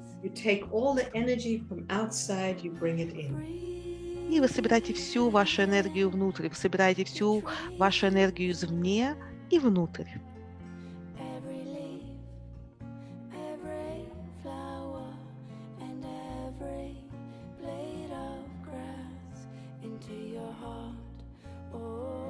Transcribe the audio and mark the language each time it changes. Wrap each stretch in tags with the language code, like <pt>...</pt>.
<en>You take all the energy from outside, you bring it in.</en> <ru>И вы собираете всю вашу энергию внутрь, вы собираете всю вашу энергию извне и внутрь.</ru> <en>Every leaf, every flower, and every blade of grass into your heart.</en>